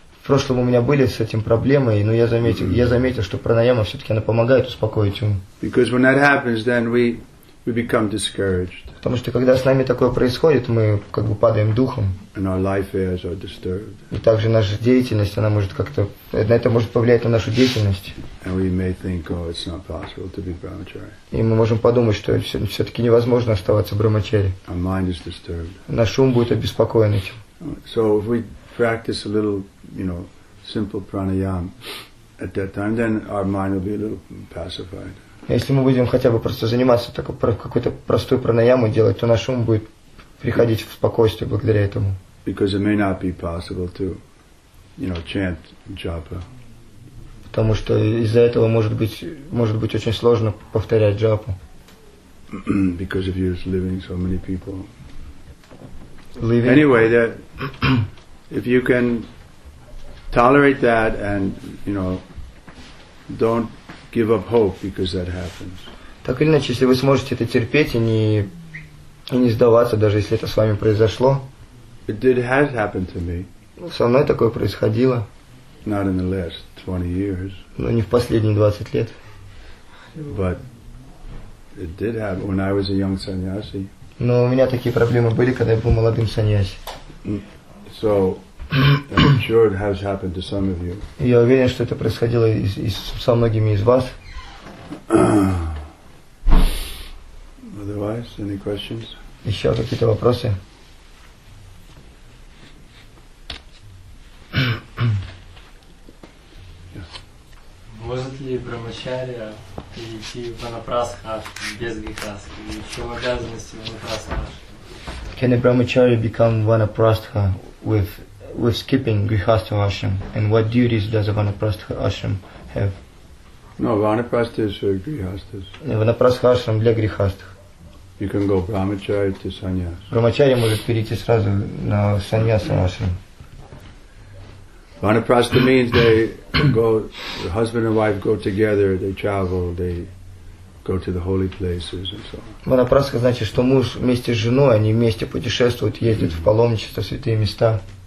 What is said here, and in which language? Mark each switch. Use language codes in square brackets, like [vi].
[ru] В прошлом у меня были с этим проблемы, но я заметил, что пранаяма все-таки она помогает успокоить ум. [en] Because when that happens, then we become discouraged. [ru] Потому что когда с нами такое происходит, мы как бы падаем духом. [en] And our life affairs are disturbed. [ru] И также наша деятельность, она может как-то, на это может повлиять на нашу деятельность. [en] And we may think, oh, it's not possible to be brahmachari. [ru] И мы можем подумать, что все-таки невозможно оставаться брахмачари. [en] Our mind is disturbed. [ru] Наш ум будет обеспокоен этим. [en] So if we practice a little, you know, simple pranayama at that time, then our mind will be a little pacified. [ru] Если мы будем хотя бы просто заниматься такой какой-то простой пранаямой делать, то наш ум будет приходить в спокойствие благодаря этому. [en] Because it may not be possible to, you know, chant japa. [ru] Потому что из-за этого может быть очень сложно повторять джапу. [en] Because of you living so many people. Anyway, that if you can tolerate that and, you know, don't give up hope because that happens. [ru] Так или иначе, если вы сможете это терпеть и не сдаваться, даже если это с вами произошло. [en] It did has happened to me. [ru] Со мной такое происходило. [en] Not in the last 20 years. [ru] Но не в последние 20 лет. [en] But it did happen when I was a young sannyasi. [ru] Но у меня такие проблемы были, когда я был молодым саньяси. [en] So, I'm sure it has happened to some of you. [ru] Я уверен, что это происходило и со многими из вас. [en] Otherwise, any questions? [ru] Еще какие-то вопросы? Может ли брахмачарья перейти в ванапрастхашрам без грихастхи? В чем обязанности ванапрастхашрама? [en] Can a brahmacharya become vanaprastha with skipping grihastha ashram? And what duties does a vanaprastha ashram have? No, vanaprastha is for grihasthas. [ru] Ванапрастха ашрам для грихастх. [en] You can go brahmacharya to sannyas. [ru] Брахмачарья может перейти сразу на саньяса ашрам. [en] Vanaprastha means they go, the husband and wife go together, they travel, they go to the holy places and so on. [ru] Vanaprastha значит, что муж вместе с женой, они вместе путешествуют, ездят mm-hmm. в паломничество, святые места.